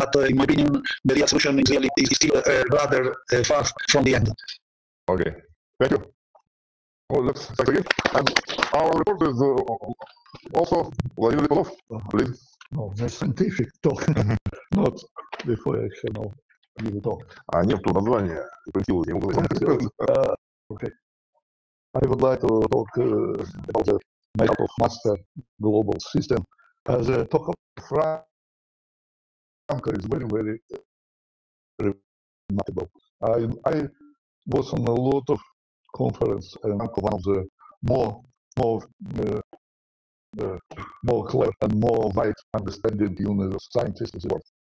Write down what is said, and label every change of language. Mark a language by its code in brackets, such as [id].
[en] But in my opinion, the real solution is really is still rather far from the end. Okay, thank you. Well, let's start again. And our report is also Vladimir Lipunov, please. No, the scientific talk, not before I can give talk. [ru] А нету названия, прикинул я его. [en] Okay. I would like to talk about the makeup of master global system. As a talk of Franco is very, very remarkable. I was on a lot of conference, and Franco was one of the more clever and more wide understanding universe scientists in the world.